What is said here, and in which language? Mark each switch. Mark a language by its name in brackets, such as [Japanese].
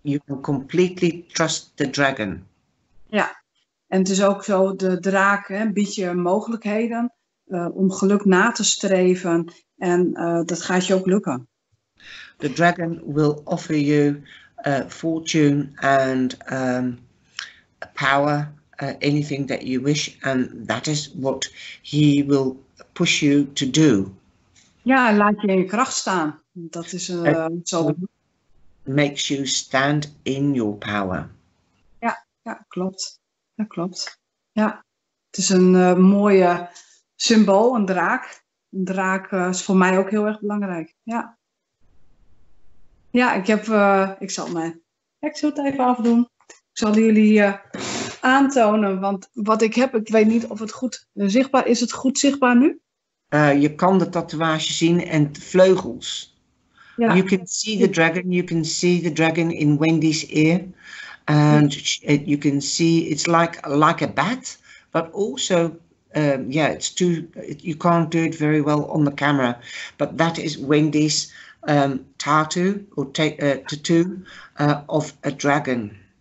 [English] You can completely trust the dragon. [Dutch] Ja, en het is ook zo, de draak biedt je mogelijkheden om geluk na te streven. En dat gaat je ook lukken. [English] The dragon will offer you fortune and power. Anything that you wish, and that is what he will push you to do. [Dutch] Ja, laat je in je kracht staan. Dat is zo. [English] Makes you stand in your power. [Dutch] Ja, ja, klopt. Dat klopt. Ja, het is een mooie symbool, een draak. Een draak is voor mij ook heel erg belangrijk. Ja. Ja, ik zal mijn exot even afdoen. Ik zal jullie aantonen, want wat ik heb, ik weet niet of het goed zichtbaar is. Het goed zichtbaar nu? Je kan de tatoeage zien en de vleugels. [English] Ja. You can see the dragon. You can see the dragon in Wendy's ear, and you can see it's like a bat, but also it's too. You can't do it very well on the camera, but that is Wendy's tattoo or tattoo of a dragon.